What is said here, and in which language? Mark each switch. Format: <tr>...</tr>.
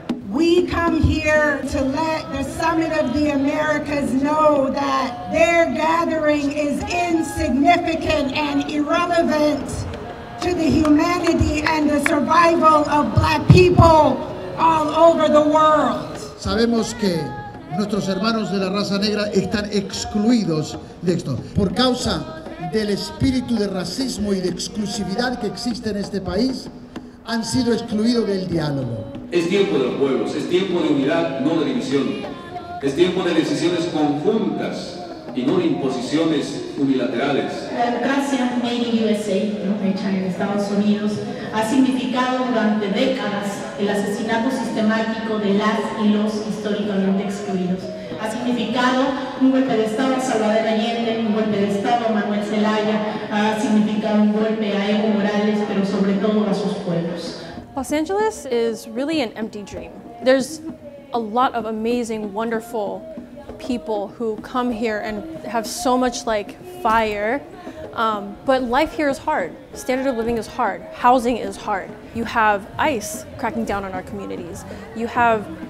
<en>We come here to let the Summit of the Americas know that their gathering is insignificant and irrelevant to the humanity and the survival of Black people all over the world.</en> <es>Sabemos que nuestros hermanos de la raza negra están excluidos de esto por causa del espíritu de racismo y de exclusividad que existe en este país. Han sido excluidos del diálogo. Es tiempo de los pueblos, es tiempo de unidad, no de división. Es tiempo de decisiones conjuntas y no de imposiciones unilaterales. La democracia</es> <en>made in USA,</en> <es>¿no? Hecha en Estados Unidos, ha significado durante décadas el asesinato sistemático de las y los históricamente excluidos. Ha significado un golpe de Estado a Salvador Allende, un golpe de Estado a Manuel Zelaya, ha significado un golpe a Evo Morales, pero sobre todo a sus pueblos.</es> <en>Los Angeles is really an empty dream. There's a lot of amazing, wonderful people who come here and have so much like fire, but life here is hard. Standard of living is hard. Housing is hard. You have ICE cracking down on our communities. You have</en>